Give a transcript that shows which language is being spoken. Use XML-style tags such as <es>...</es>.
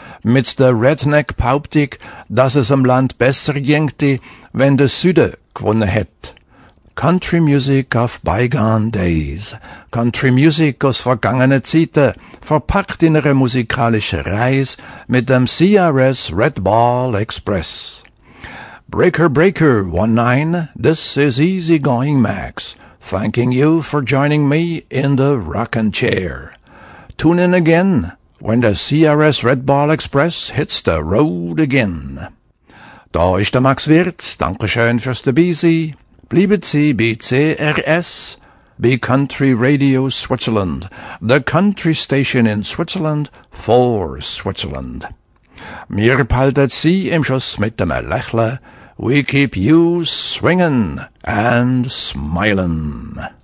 <de>mit der Redneck Pauptik, dass es am Land besser gängte, wenn der Süde gewonnen hätte.</de> <en>Country Music of Bygone Days.</en> <de>Country Music aus vergangenen Zeiten, verpackt in eine musikalische Reise mit dem CRS Red Ball Express.</de> <en>Breaker Breaker 19, this is Easy Going Max, thanking you for joining me in the rockin' chair. Tune in again when the CRS Red Ball Express hits the road again.</en> <de>Da ist der Max Wirtz, Dankeschön fürs Dabeisein. Bleibet Sie bei CRS, bei Country Radio Switzerland,</de> <en>the country station in Switzerland for Switzerland.</en> <de>Mir behaltet Sie im Schuss mit dem Lächle.</de> <en>We keep you swinging and smiling.</en>